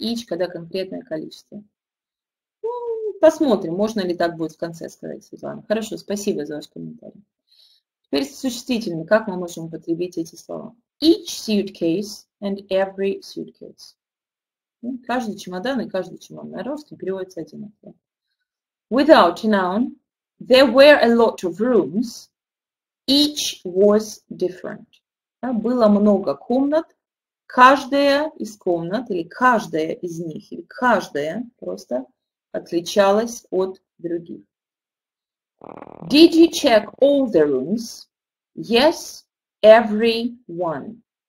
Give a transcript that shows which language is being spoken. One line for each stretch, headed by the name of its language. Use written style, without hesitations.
Russian: Each, когда конкретное количество. Посмотрим, можно ли так будет в конце сказать, Светлана. Хорошо, спасибо за ваш комментарий. Теперь существительные. Как мы можем употребить эти слова?
English: Each suitcase and every suitcase.
Russian: Каждый чемодан и каждый чемодан. На русском переводится одинаково.
English: Without a noun, there were a lot of rooms. Each was different.
Russian: Да, было много комнат. Каждая из комнат, или каждая из них, или каждая просто отличалась от других.
English: Did you check all the rooms? Yes, every one.